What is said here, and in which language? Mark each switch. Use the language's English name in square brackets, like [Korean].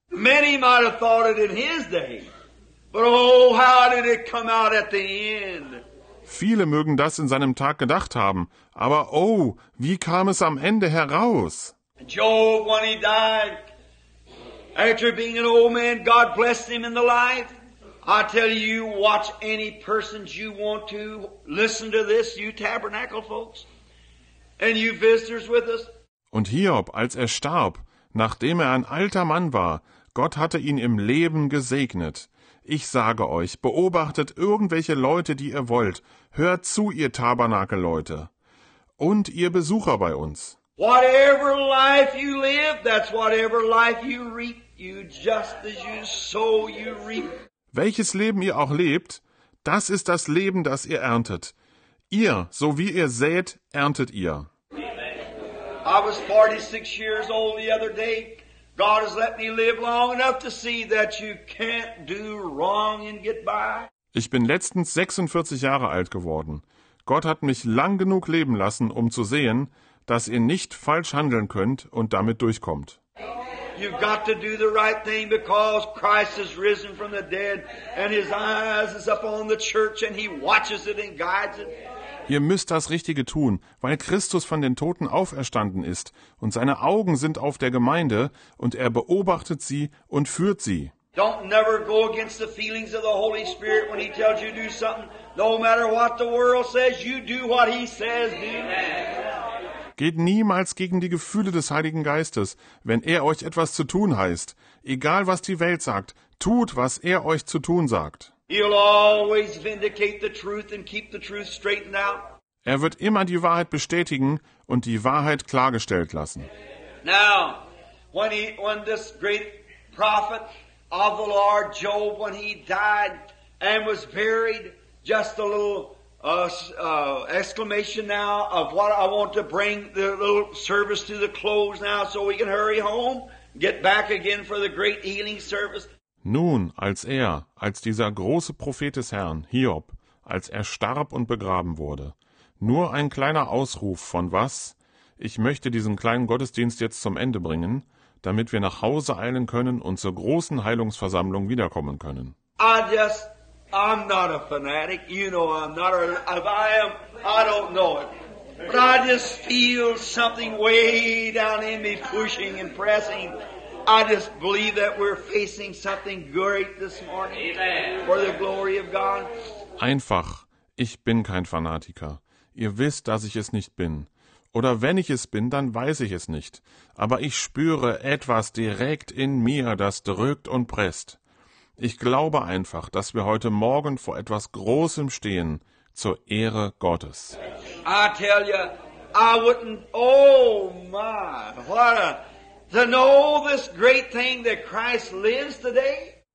[English] Many might have thought it in his day, but oh, how did it come out at the end? [German] Viele mögen das in seinem Tag gedacht haben, aber oh, wie kam es am Ende heraus? [English] Job, when he died, after being an old man, God blessed him in the life. I tell you, watch any persons you want to listen to this, you tabernacle folks, and you visitors with us. [German] Und Hiob, als er starb, nachdem er ein alter Mann war, Gott hatte ihn im Leben gesegnet. Ich sage euch, beobachtet irgendwelche Leute, die ihr wollt. Hört zu, ihr Tabernakel-Leute. Und ihr Besucher bei uns. [English] Whatever life you live, that's whatever life you reap. You just as you sow, you reap. [German] Welches Leben ihr auch lebt, das ist das Leben, das ihr erntet. Ihr, so wie ihr sät, erntet ihr. [English] I was 46 years old the other day. God has let me live long enough to see that you can't do wrong and get by. [German] Ich bin letztens 46 Jahre alt geworden. Gott hat mich lang genug leben lassen, um zu sehen, dass ihr nicht falsch handeln könnt und damit durchkommt. [English] You've got to do the right thing because Christ has risen from the dead and his eyes is upon the church and he watches it and guides it. [German] Ihr müsst das Richtige tun, weil Christus von den Toten auferstanden ist und seine Augen sind auf der Gemeinde und er beobachtet sie und führt sie. [English] Don't never go against the feelings of the Holy Spirit when he tells you to do something. No matter what the world says, you do what he says. [German] Geht niemals gegen die Gefühle des Heiligen Geistes, wenn er euch etwas zu tun heißt. Egal was die Welt sagt, tut, was er euch zu tun sagt. [English] He'll always vindicate the truth and keep the truth straightened out. [German] Er wird immer die Wahrheit bestätigen und die Wahrheit klargestellt lassen. [English] Now, when this great prophet of the Lord Job, when he died and was buried, just a little exclamation now of what I want to bring the little service to the close now so we can hurry home, get back again for the great healing service. [German] Nun, als dieser große Prophet des Herrn, Hiob, als er starb und begraben wurde, nur ein kleiner Ausruf von was? Ich möchte diesen kleinen Gottesdienst jetzt zum Ende bringen, damit wir nach Hause eilen können und zur großen Heilungsversammlung wiederkommen können. [English] I'm not a fanatic, you know I'm not a, if I am, I don't know it. But I just feel something way down in me pushing and pressing. I just believe that we're facing something great this morning. Amen. For the glory of God. [German] Einfach, ich bin kein Fanatiker. Ihr wisst, dass ich es nicht bin. Oder wenn ich es bin, dann weiß ich es nicht. Aber ich spüre etwas direkt in mir, das drückt und presst. Ich glaube einfach, dass wir heute Morgen vor etwas Großem stehen, zur Ehre Gottes. [English] I tell you, I wouldn't, oh my, what a... To know this great thing that Christ lives today?